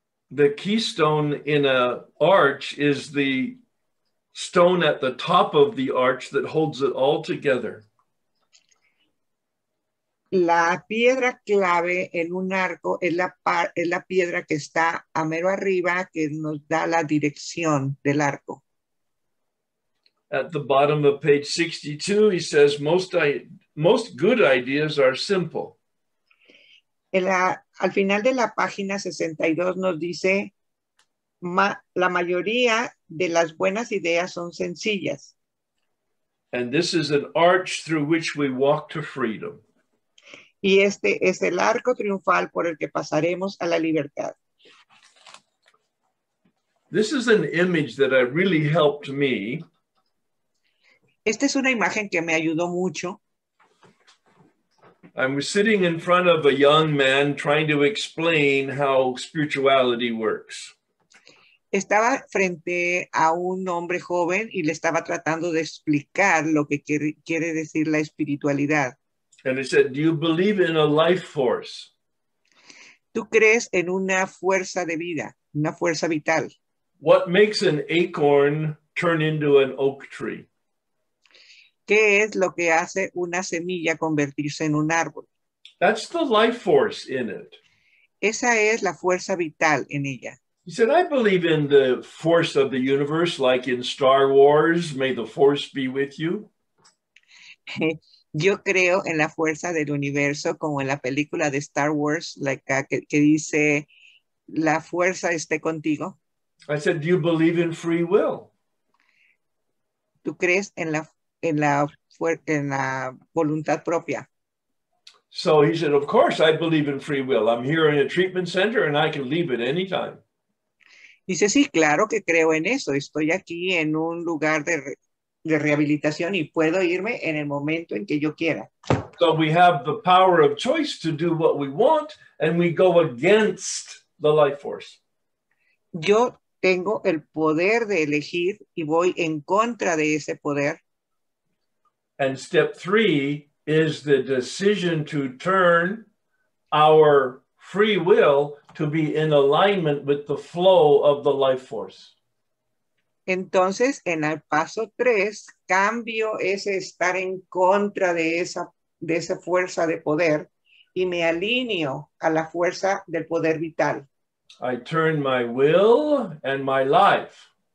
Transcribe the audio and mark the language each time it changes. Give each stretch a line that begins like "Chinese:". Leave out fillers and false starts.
English: The keystone in a arch is the stone at the top of the arch that holds it all together.
Spanish: La piedra clave en un arco es la piedra que está a mero arriba, que nos da la dirección del arco.
English: At the bottom of page 62, he says, most good ideas are simple.
Spanish: Al final de la página 62 nos dice, la mayoría de las buenas ideas son sencillas.
English: And this is an arch through which we walk to freedom.
Spanish: Y este es el arco triunfal por el que pasaremos a la libertad.
English: This is an image that I really helped me.
Spanish: Esta es una imagen que me ayudó mucho.
English: I'm sitting in front of a young man trying to explain how spirituality works.
Spanish: Estaba frente a un hombre joven y le estaba tratando de explicar lo que quiere decir la espiritualidad.
English: And he said, do you believe in a life force?
Spanish: ¿Tú crees en una fuerza de vida, una fuerza vital?
English: What makes an acorn turn into an oak tree?
Spanish: ¿Qué es lo que hace una semilla convertirse en un árbol?
English: That's the life force in it.
Spanish: Esa es la fuerza vital en ella.
English: He said, I believe in the force of the universe, like in Star Wars, may the force be with you.
Spanish: Yo creo en la fuerza del universo, como en la película de Star Wars,
English: like,
Spanish: que dice, la fuerza esté contigo.
English: I said, do you believe in free will?
Spanish: ¿Tú crees en la voluntad propia?
English: So he said, of course I believe in free will. I'm here in a treatment center and I can leave at any time.
Spanish: Dice, sí, claro que creo en eso. Estoy aquí en un lugar de rehabilitación y puedo irme en el momento en que yo quiera.
English: So we have the power of choice to do what we want and we go against the life force.
Spanish: Yo tengo el poder de elegir y voy en contra de ese poder.
English: And step three is the decision to turn our free will to be in alignment with the flow of the life force.
Spanish: Entonces, en el paso tres, cambio ese estar en contra de esa fuerza de poder y me alineo a la fuerza del poder vital.
English: I turn my will and my life.